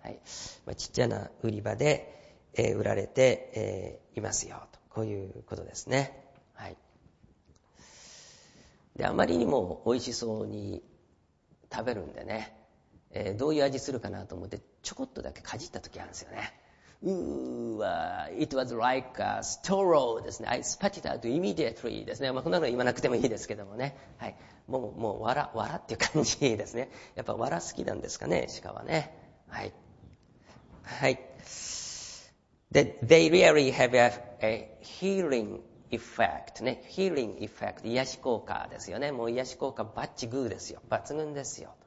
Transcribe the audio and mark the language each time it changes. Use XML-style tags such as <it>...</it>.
<ja>はい、まあ、ちっちゃな売り場で、売られて、いますよとこういうことですね、はい、であまりにも美味しそうに食べるんでね、どういう味するかなと思ってちょこっとだけかじった時あるんですよね。</ja> <en>うーわー It was like a straw</en> <ja>ですね。</ja> <en>I spat it out immediately</en> <ja>ですね、まあ、こんなの言わなくてもいいですけどもね、はい、もう笑っていう感じですね。やっぱ笑好きなんですかね、鹿はね、はい。はい。</ja> <en>で、they really have a healing effect ね。 healing effect</en> <ja>癒し効果ですよね。もう癒し効果バッチグーですよ。抜群ですよ。</ja>